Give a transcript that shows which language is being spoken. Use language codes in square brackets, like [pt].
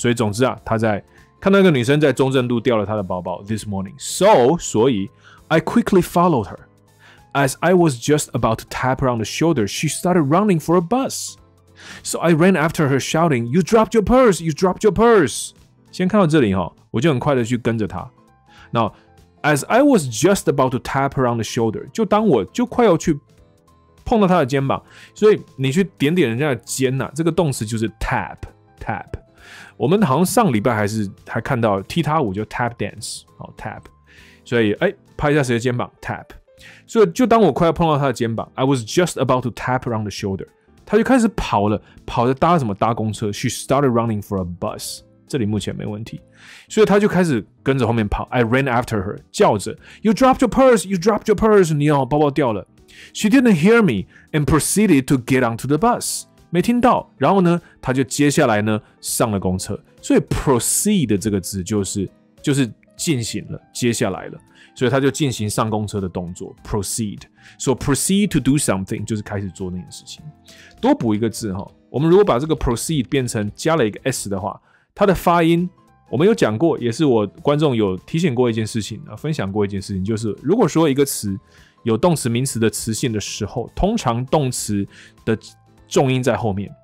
[zh] 所以总之啊，他在看到一个女生在中正路掉了她的包包 [en] this morning， so I quickly followed her as I was just about to tap her on the shoulder， she started running for a bus。 So I ran after her shouting, You dropped your purse, you dropped your purse. [zh] 先看到这里，我就很快的去跟着她。 [en] Now, as I was just about to tap her on the shoulder, [zh] 就当我就快要去碰到她的肩膀，所以你去点点人家的肩啊，这个动词就是 tap, tap。我们好像上礼拜还看到踢踏舞就 tap dance, 好 tap。所以拍一下谁的肩膀 ,tap。所以就当我快要碰到她的肩膀 , [en] I was just about to tap her on the shoulder。 [zh] 他就开始跑了，跑着搭什么搭公车 ， [en] She started running for a bus。 [zh] 这里目前没问题，所以他就开始跟着后面跑。 [en] I ran after her， [zh] 叫着 ， [en] You dropped your purse， [zh] you dropped your purse， 你好，包包掉了。 [en] She didn't hear me and proceeded to get onto the bus。 [zh] 没听到，然后呢，他就接下来呢上了公车。所以 proceed 这个字就是进行了，接下来了。所以他就进行上公车的动作 ，proceed。 [en] So proceed to do something [zh] 就是开始做那件事情。多补一个字哈，我们如果把这个 proceed 变成加了一个 s 的话，它的发音我们有讲过，也是我观众有提醒过一件事情啊，分享过一件事情，就是如果说一个词有动词、名词的词性的时候，通常动词的重音在后面。